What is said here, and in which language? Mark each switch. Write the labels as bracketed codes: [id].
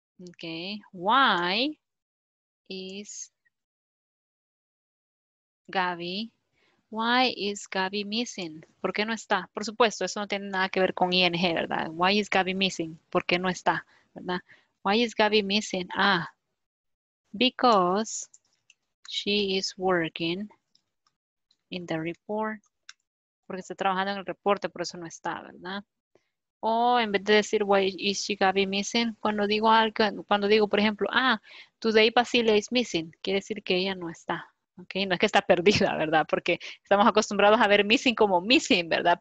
[en] Okay. Why is Gaby... Why is Gaby missing? [es] ¿Por qué no está? Por supuesto, eso no tiene nada que ver con ING, ¿verdad? [en] Why is Gaby missing? [es] ¿Por qué no está? ¿Verdad? [en] Why is Gaby missing? Ah, because she is working in the report. [es] Porque está trabajando en el reporte, por eso no está, ¿verdad? O en vez de decir, [en] why is she Gaby missing? [es] Cuando digo algo, cuando digo, por ejemplo, ah, [en] today Basilia is missing, [es] quiere decir que ella no está. Ok, no es que está perdida, ¿verdad? Porque estamos acostumbrados a ver missing como missing, ¿verdad?